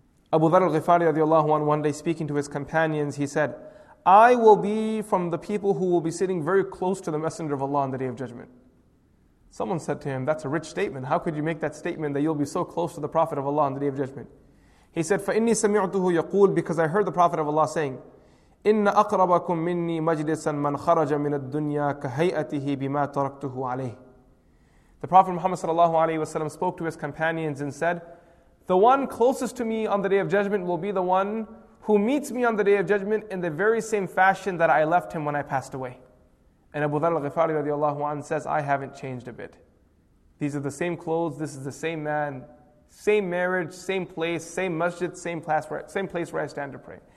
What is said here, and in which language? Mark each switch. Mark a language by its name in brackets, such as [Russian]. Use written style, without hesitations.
[English] Abu Dharr al-Ghifari radiyallahu anhu, one day speaking to his companions, he said, I will be from the people who will be sitting very close to the Messenger of Allah on the Day of Judgment. Someone said to him, that's a rich statement. How could you make that statement that you'll be so close to the Prophet of Allah on the Day of Judgment? He said, [Arabic] فَإِنِّي سَمِعْتُهُ يَقُولُ, [English] because I heard the Prophet of Allah saying, [Arabic] إِنَّ أَقْرَبَكُم مِّنِّي مَجْلِسًا مَنْ خَرَجَ مِنَ الدُّنْيَا كَهَيْئَتِهِ بِمَا تَرَكْتُهُ عَلَيْهِ. [English] The Prophet Muhammad ﷺ spoke to his companions and said, the one closest to me on the Day of Judgment will be the one who meets me on the Day of Judgment in the very same fashion that I left him when I passed away. And Abu Dharr al-Ghifari radiallahu anhu says, I haven't changed a bit. These are the same clothes, this is the same man, same marriage, same place, same masjid, same place where I stand to pray.